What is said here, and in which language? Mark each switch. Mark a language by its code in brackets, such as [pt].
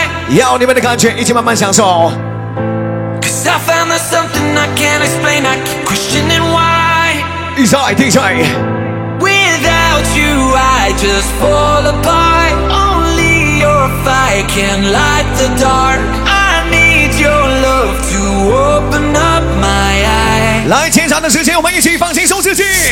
[zh] 要你们的感觉，一起慢慢享受。 [en] Cause I found there's something I can't explain, I keep questioning why. DJ. Without you, I just fall apart. Only your fire can light the dark. I need your love to open up my eyes. [zh] 来，前场的时间，我们一起放轻松自己。